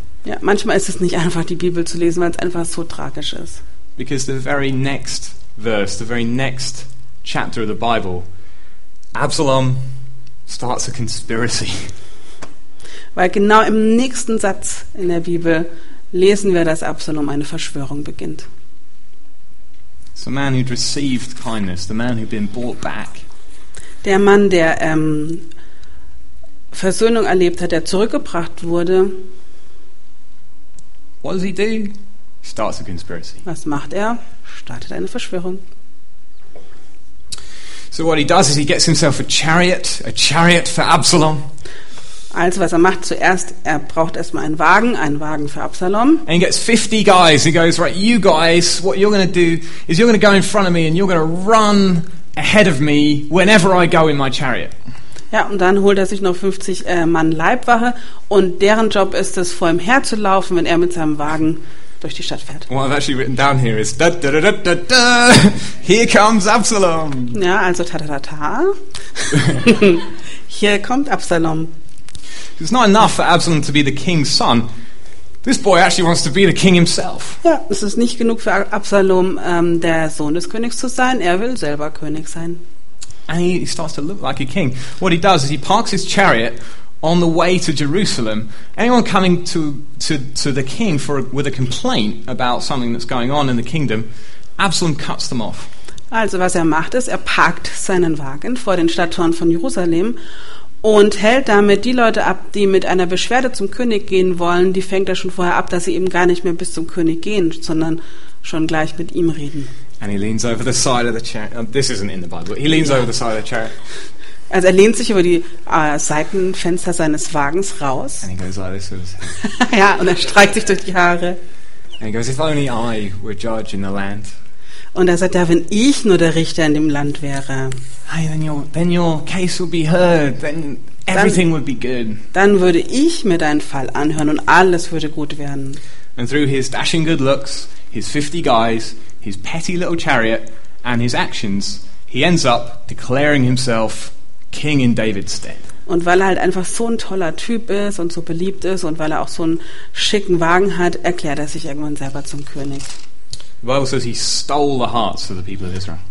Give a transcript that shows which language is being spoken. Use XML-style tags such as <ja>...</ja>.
<de>Ja, manchmal ist es nicht einfach, die Bibel zu lesen, weil es einfach so tragisch ist.</de> <en>Because the very next verse, the very next chapter of the Bible, Absalom starts a conspiracy.</en> <de>Weil genau im nächsten Satz in der Bibel lesen wir, dass Absalom eine Verschwörung beginnt.</de> <en>So man who'd received kindness, the man who'd been brought back.</en> <de>Der Mann, der Versöhnung erlebt hat, der zurückgebracht wurde.</de> <en>What does he do? Starts a conspiracy.</en> <de>Was macht er? Startet eine Verschwörung.</de> <en>So what he does is he gets himself a chariot for Absalom.</en> <de>Also was er macht zuerst, er braucht erstmal einen Wagen für Absalom.</de> <en>And he gets 50 guys. He goes, right, you guys, what you're going to do is you're going to go in front of me and you're going to run ahead of me whenever I go in my chariot.</en> <de>Ja, und dann holt er sich noch 50 Mann Leibwache, und deren Job ist es, vor ihm herzulaufen, wenn er mit seinem Wagen durch die Stadt fährt.</de> <en>What I've actually written down here is da da da da da da. Here comes Absalom.</en> <de>Ja, also ta ta ta ta. Hier kommt Absalom.</de> <en>It's not enough for Absalom to be the king's son. This boy actually wants to be the king himself.</en> <de>Ja, es ist nicht genug für Absalom, der Sohn des Königs zu sein. Er will selber König sein.</de> <en>And he starts to look like a king. What he does is he parks his chariot on the way to Jerusalem. Anyone coming to the king with a complaint about something that's going on in the kingdom, Absalom cuts them off.</en> <de>Also was er macht ist, er parkt seinen Wagen vor den Stadttoren von Jerusalem, und hält damit die Leute ab, die mit einer Beschwerde zum König gehen wollen, die fängt er schon vorher ab, dass sie eben gar nicht mehr bis zum König gehen, sondern schon gleich mit ihm reden.</de> <en>And he leans over the side of the chair. This isn't in the Bible, but he leans over the side of the chair.</en> <de>Also er lehnt sich über die Seitenfenster seines Wagens raus.</de> <en>And he goes like this with his hair.</en> <de>Ja, und er streicht sich durch die Haare.</de> <en>And he goes, if only I were judge in the land.</en> <de>Und er sagt, ja, wenn ich nur der Richter in dem Land wäre.</de> <en>Hey, then your case would be heard. Then everything</en> <de>dann,</de> <en>would be good.</en> <de>Dann würde ich mir deinen Fall anhören und alles würde gut werden.</de> <en>And through his dashing good looks, his 50 guys, his petty little chariot and his actions, he ends up declaring himself king in David's stead.</en> <de>Und weil er halt einfach so ein toller Typ ist und so beliebt ist und weil er auch so einen schicken Wagen hat, erklärt er sich irgendwann selber zum König.</de> <en>The Bible says he stole the hearts of the people of Israel.</en>